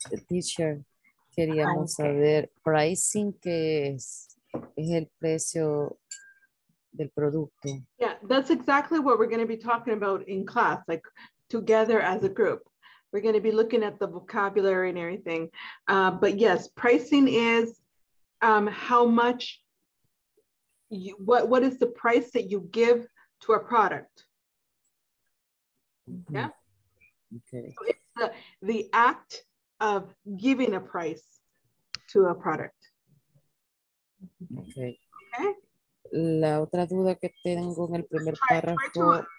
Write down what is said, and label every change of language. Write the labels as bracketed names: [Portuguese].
[Spanish] Teacher, queríamos saber pricing, que es el precio del producto. [English] Yeah, that's exactly what we're going to be talking about in class, like together as a group. We're going to be looking at the vocabulary and everything. But yes, pricing is how much, what is the price that you give to a product? Mm-hmm. Yeah? Okay. So it's the act of giving a price to a product. Okay. Okay. [Spanish] La otra duda que tengo en el primer párrafo.